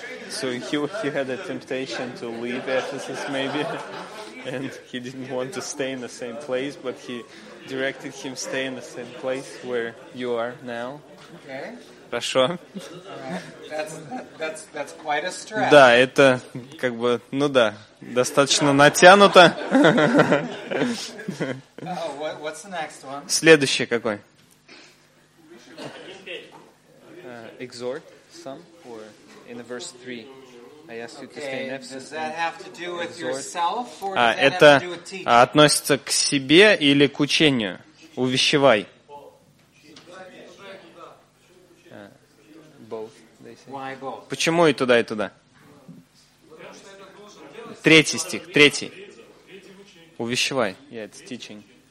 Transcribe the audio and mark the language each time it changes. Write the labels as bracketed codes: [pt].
[en] So he had a temptation to leave Ephesus, maybe, and he didn't want to stay in the same place, but he directed him to stay in the same place where you are now. Okay. [ru] Хорошо. [en] That's quite a stretch. [ru] Да, это как бы, ну да, достаточно натянуто. [en] What's the next one? [ru] Следующее какой? [en] Exhort some, or in verse 3. I asked you to stay in Ephesus. Does that have to do with yourself, or does that [ru] это [en] have to do with teaching? [ru] Относится к себе или к учению? Увещевай. [en] Both, they say. Why both? [ru] Почему и туда, и туда? Третий стих, третий. Увещевай. [en] Yeah, it's teaching.